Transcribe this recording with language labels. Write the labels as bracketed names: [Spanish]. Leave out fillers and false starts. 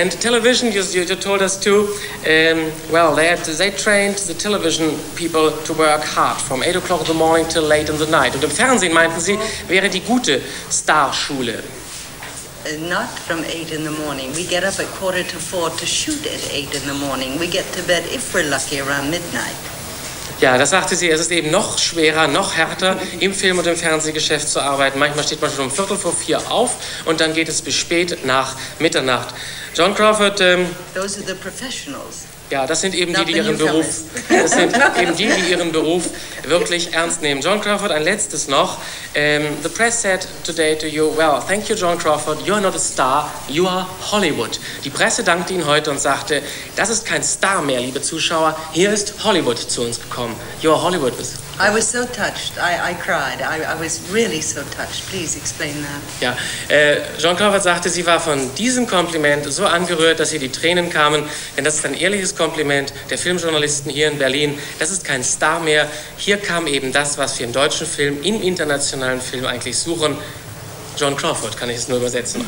[English] And television, you told us too, well, they trained the television people to work hard from 8 o'clock in the morning till late in the night. [German] Und im Fernsehen, meinten sie, wäre die gute Starschule. [English] Not from 8 in the morning. We get up at 3:45 to shoot at 8 in the morning. We get to bed, if we're lucky, around midnight. [German] Ja, das sagte sie, es ist eben noch schwerer, noch härter, im Film- und im Fernsehgeschäft zu arbeiten. Manchmal steht man schon 3:45 auf und dann geht es bis spät nach Mitternacht. John Crawford, [English] Those are the professionals. [German] Ja, das sind eben die ihren Beruf, das sind eben die, die ihren Beruf wirklich ernst nehmen. John Crawford, ein letztes noch. [English] The press said today to you, well, thank you, John Crawford, you are not a star, you are Hollywood. [German] Die Presse dankte Ihnen heute und sagte, das ist kein Star mehr, liebe Zuschauer, hier ist Hollywood zu uns gekommen. [English] You are Hollywood. I was so touched, I cried, I was really so touched, please explain that. [German] Ja, John Crawford sagte, sie war von diesem Kompliment so angerührt, dass ihr die Tränen kamen, denn das ist ein ehrliches Kompliment der Filmjournalisten hier in Berlin, das ist kein Star mehr, hier kam eben das, was wir im deutschen Film, im internationalen Film eigentlich suchen, John Crawford, kann ich es nur übersetzen.